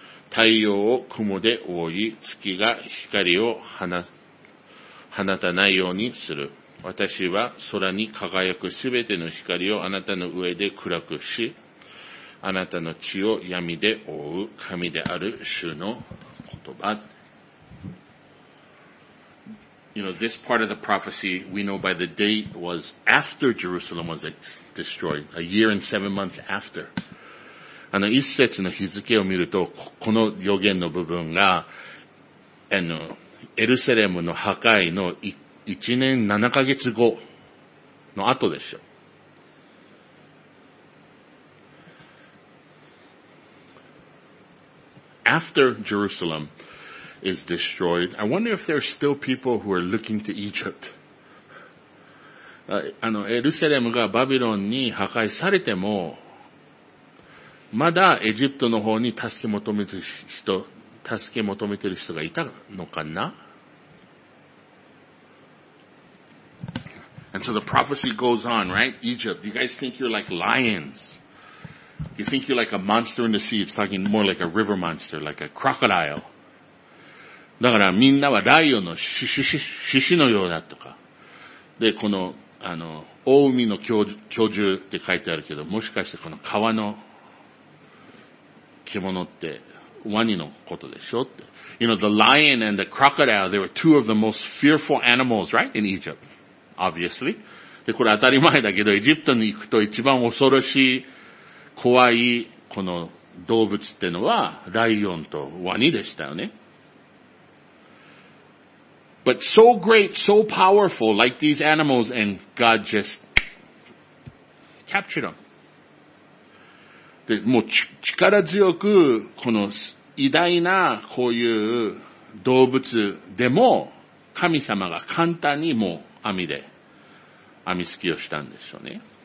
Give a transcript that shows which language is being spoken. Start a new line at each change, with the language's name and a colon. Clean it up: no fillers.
Japanese: 太陽を雲で覆い、月が光を放たないようにする。私は空に輝くすべての光をあなたの上で暗くし、あなたの地を闇で覆う神である主の言葉。
English: You know, this part of the prophecy, we know by the date was after Jerusalem was destroyed, a year and 7 months after.
Japanese: あの、一節の日付を見ると、この予言の部分が、あの、エルサレムの破壊の一年七ヶ月後の後でしょ。
English: After Jerusalem is destroyed, I wonder if there are still people who are looking to Egypt.
Japanese: あの、エルサレムがバビロンに破壊されても、まだエジプトの方に助け求めてる人がいたのかな？
English: And so the prophecy goes on, right? Egypt, you guys think you're like lions. You think you're like a monster in the sea. It's talking more like a river monster, like a crocodile.
Japanese: だからみんなはライオンのシシのようだとか。で、この、あの、大海の巨獣って書いてあるけど、もしかしてこの川の獣ってワニのことでしょって。
English: You know, the lion and the crocodile, they were two of the most fearful animals, right, in Egypt, obviously.
Japanese: で、これ当たり前だけど、エジプトに行くと一番恐ろしい怖いこの動物ってのはライオンとワニでしたよね。
English: But so great, so powerful, like these animals, and God just captured them.
Japanese: で、もう力強くこの偉大なこういう動物でも神様が簡単にもう網すきをしたんでしょうね。